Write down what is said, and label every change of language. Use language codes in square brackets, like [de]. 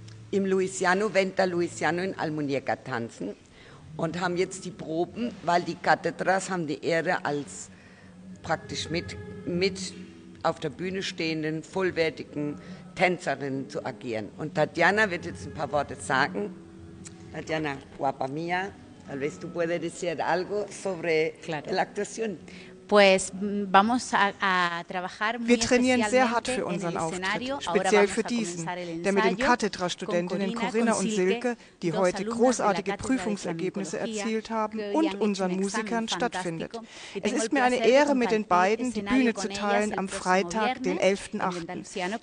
[de] im Luisiano, Venta Luisiano in Almuñeca tanzen und haben jetzt die Proben, weil die Catedras haben die Ehre als praktisch mit auf der Bühne stehenden, vollwertigen Tänzerinnen zu agieren. Und Tatiana wird jetzt ein paar Worte sagen. [es] Tatiana, guapa mía, tal vez tú puedes decir algo sobre la actuación. Pues vamos a trabajar muy [de] Wir trainieren sehr hart für unseren Auftritt, speziell für diesen, der mit den Cátedra-Studentinnen Corinna und Silke, die heute großartige Prüfungsergebnisse erzielt haben, und unseren Musikern stattfindet. Es ist mir eine Ehre, mit den beiden die Bühne zu teilen am Freitag, den 11.8.